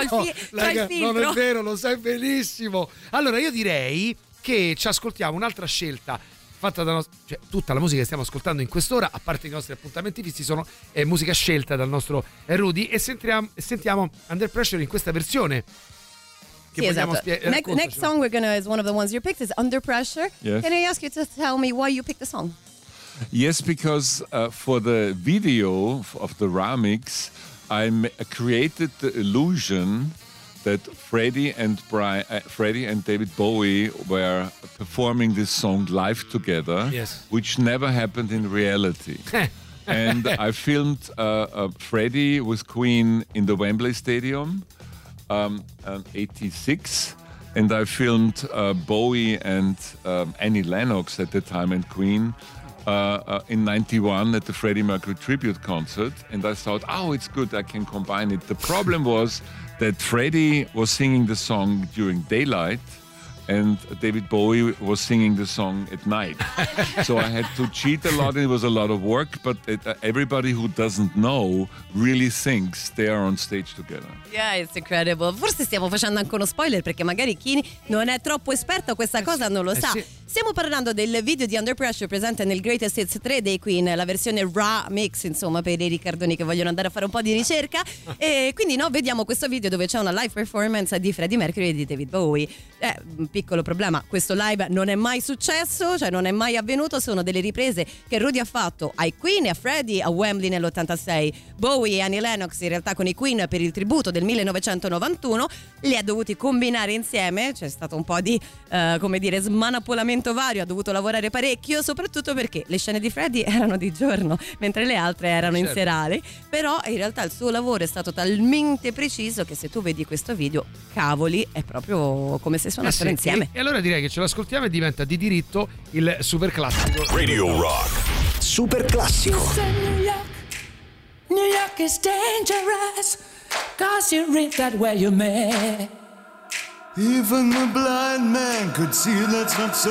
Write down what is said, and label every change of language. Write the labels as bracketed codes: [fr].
[it] è vero, lo sai benissimo. Allora, io direi che ci ascoltiamo un'altra scelta fatta da cioè tutta la musica che stiamo ascoltando in quest'ora, a parte i nostri appuntamenti fissi, sono musica scelta dal nostro Rudy, e sentiamo Under Pressure in questa versione. Sì, esatto. [en] Next song we're gonna is one of the ones you picked is Under Pressure. Yes. Can I ask you to tell me why you picked the song? Yes, because for the video of the remix, I created the illusion that Freddie and David Bowie were performing this song live together. Yes. Which never happened in reality. And I filmed Freddie with Queen in the Wembley Stadium. 86, and I filmed Bowie and Annie Lennox at the time and Queen in 91 at the Freddie Mercury tribute concert, and I thought, oh, it's good, I can combine it. The problem was that Freddie was singing the song during daylight and David Bowie was singing the song at night. So I had to cheat a lot, and it was a lot of work, but everybody who doesn't know really thinks they are on stage together. Yeah, it's incredible. [it] Forse stiamo facendo anche uno spoiler, perché magari chi non è troppo esperto a questa cosa non lo sa. Stiamo parlando del video di Under Pressure presente nel Greatest Hits 3 dei Queen, la versione raw mix, insomma, per i riccardoni che vogliono andare a fare un po' di ricerca. E quindi no, vediamo questo video dove c'è una live performance di Freddie Mercury e di David Bowie. Un piccolo problema, questo live non è mai successo, cioè non è mai avvenuto, sono delle riprese che Rudy ha fatto ai Queen e a Freddie a Wembley nell'86. Bowie e Annie Lennox in realtà con i Queen per il tributo del 1991 li ha dovuti combinare insieme, c'è stato un po' di come dire smanapolamento vario, ha dovuto lavorare parecchio, soprattutto perché le scene di Freddie erano di giorno mentre le altre erano in serale. Però in realtà il suo lavoro è stato talmente preciso che se tu vedi questo video, cavoli, è proprio come se suonassero insieme. E allora direi che ce l'ascoltiamo e diventa di diritto il super classico. Radio Rock Super Classico. [en] New York is dangerous, cause you read that where you may. Even the blind man could see that's not so.